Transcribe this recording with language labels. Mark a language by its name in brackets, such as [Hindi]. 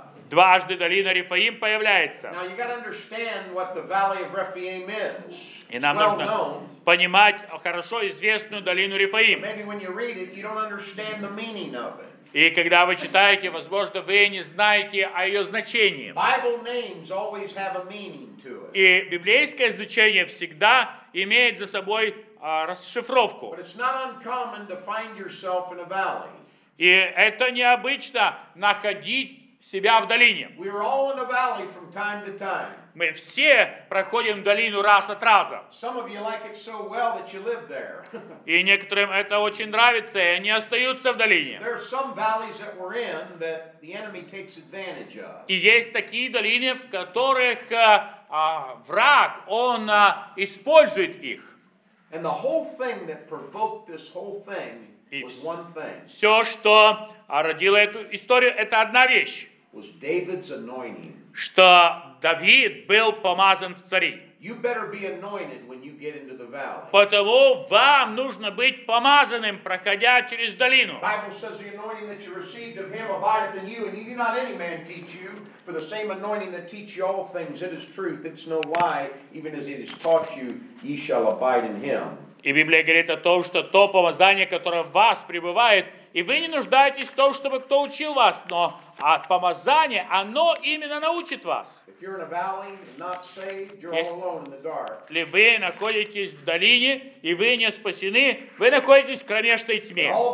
[Russian] Дважды долина Рефаим появляется. [English] Now you got to understand what the Valley of Rephaim is. [Russian] И нам нужно понимать хорошо известную долину Рефаим. [English] Maybe when you read it, you don't understand the meaning of it. [Russian] И когда вы читаете, возможно, вы не знаете о ее значении. [English] Bible names always have a meaning to it. [Russian] И библейское значение всегда имеет за собой расшифровку. [English] But it's not uncommon to find yourself in a valley. [Russian] И это необычно находить себя в долине. [English] We are all in a valley from time to time. [Russian] Мы все проходим долину раз от раза. [English] Some of you like it so well that you live there. [Russian] И некоторым это очень нравится, и они остаются в долине. [English] There are some valleys that we're in that the enemy takes advantage of. [Russian] И есть такие долины, в которых враг, он использует их. [English] And the whole thing that provoked this whole thing was one thing. [Russian] Все, что родило эту историю, это одна вещь. [English] Was David's anointing. [Russian] Что Давид был помазан в цари. [English] You better be anointed when you get into the valley. [Russian] Потому вам нужно быть помазанным, проходя через долину. [English] Bible says the anointing that you received of him abideth in you, and you do not any man teach you. For the same anointing that teach you all things, it is truth, it's no lie, even as it is taught you, ye shall abide in him. [Russian] И Библия говорит о том, что то помазание, которое в вас пребывает, и вы не нуждаетесь в том, чтобы кто учил вас, но от помазания оно именно научит вас. Если вы находитесь в долине, и вы не спасены, вы находитесь в кромешной тьме.